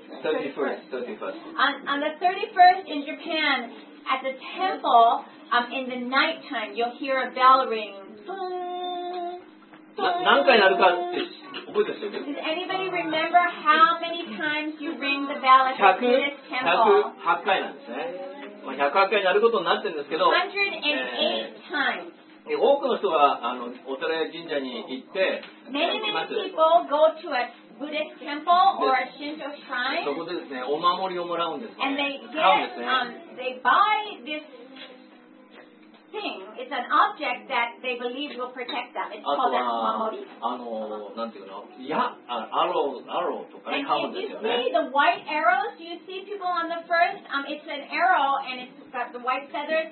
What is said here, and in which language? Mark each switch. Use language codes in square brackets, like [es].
[en] On the 31st in Japan, at the temple, in the night time, you'll hear a bell ring. [ja] 何回鳴るかって覚えてますよ。 [en] Does anybody remember how many times you ring the bell at this temple? [ja] 108 回なんですね。 108回鳴ることになってるんですけど、 [en] 108 times [ja] 多くの人がお寺や神社に行って、 [en] many, many people go to a Buddhist temple or a Shinto shrine. [ja] そこでですね、お守りをもらうんですね。 [en] And they get, they buy this thing. It's an object that they believe will protect them. It's called a omamori. [ja] なんていうの、アローとか買うんですよね。 [en] And if you see the white arrows, you see people on the first, it's an arrow and it'sGot the white feathers.